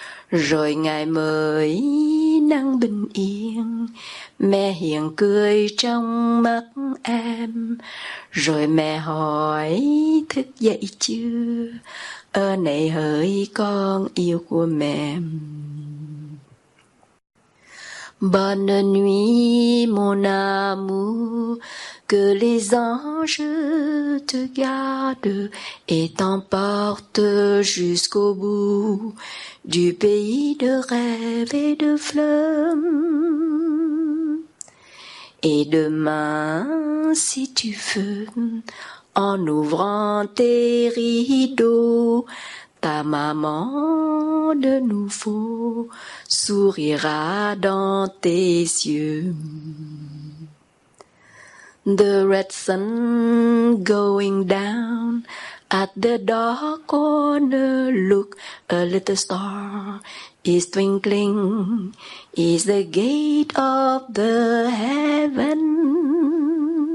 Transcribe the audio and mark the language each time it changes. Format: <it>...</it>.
<vi>Rồi ngày mới nắng bình yên, mẹ hiền cười trong mắt em. Rồi mẹ hỏi thức dậy chưa, ơ này hỡi con yêu của mẹ.</vi> <fr>Bonne nuit mon amour, que les anges te gardent et t'emportent jusqu'au bout du pays de rêves et de fleurs. Et demain, si tu veux, en ouvrant tes rideaux, ta maman de nouveau sourira dans tes yeux.</fr> <en>The red sun going down, at the dark corner look, a little star is twinkling, is the gate of the heaven.</en>